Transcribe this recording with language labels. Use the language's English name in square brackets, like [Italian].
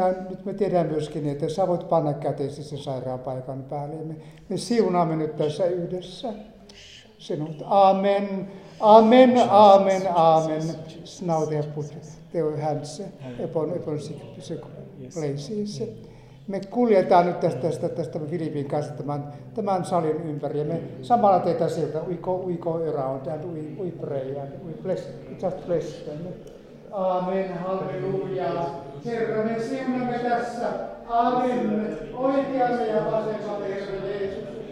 [Finnish] Nyt me tiedämme myöskin, että sä voit panna käteesi sen sairaanpaikan päälle. Me siunaamme nyt tässä yhdessä sinut. Amen, amen, amen, amen. [English] Now they have put their hands upon sick places. [Finnish] Me kuljetaan nyt tästä Filipin kanssa tämän salin ympäri. Me samalla teitä sieltä, [English] we go around and we pray and we bless, just bless them. [Finnish] Aamen, halleluja. Herra, me siunamme tässä. Aamen, oikealle ja vasemmalle, Herra Jeesus.